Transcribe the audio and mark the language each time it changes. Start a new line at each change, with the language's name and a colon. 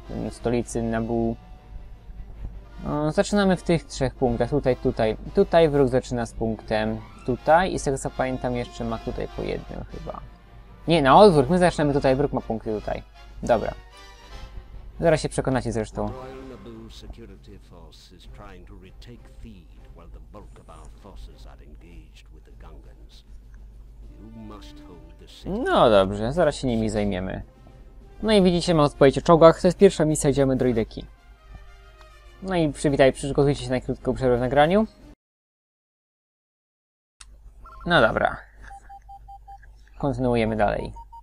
Polish: Stolicy Naboo. Zaczynamy w tych trzech punktach. Tutaj wróg zaczyna z punktem tutaj i z tego co pamiętam jeszcze ma tutaj po jednym chyba. Nie, na odwrót, my zaczynamy tutaj, wróg ma punkty tutaj. Dobra. Zaraz się przekonacie zresztą.
English: Royal Naboo Security Force is trying to retake Theed while the bulk of our forces are engaged with the Gungans. You must hold the city.
Polish: No dobrze, zaraz się nimi zajmiemy. No i widzicie, mam odpowiedź o czołgach. To jest pierwsza misja, gdzie mamy droideki. No i przywitaj, przygotujcie się na krótką przerwę w nagraniu. No dobra. Kontynuujemy dalej.